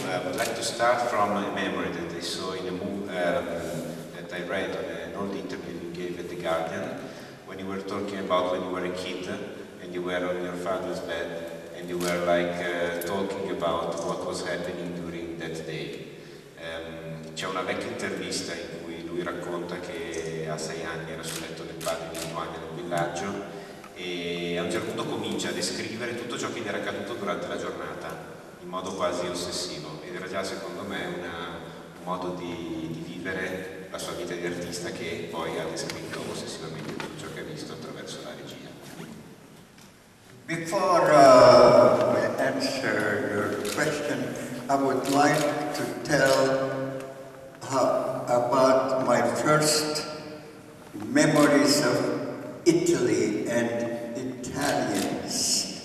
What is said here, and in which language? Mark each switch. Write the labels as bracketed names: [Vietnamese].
[English] I would like to start from a memory that I saw in a movie that I read on an old interview you gave at The Guardian, when you were talking about when you were a kid and you were on your father's bed and you were like talking about what was happening during that day. [Italian] C'è una vecchia intervista in cui lui racconta che a 6 anni era sul letto del padre di 2 anni nel villaggio, e a un certo punto comincia a descrivere tutto ciò che gli era accaduto durante la giornata in modo quasi ossessivo, ed era già secondo me un modo di vivere la sua vita di artista, che poi ha descritto ossessivamente tutto ciò che ha visto attraverso la regia. [English] Before I answer your question, I would like to tell about my first memories of Italy and Italians.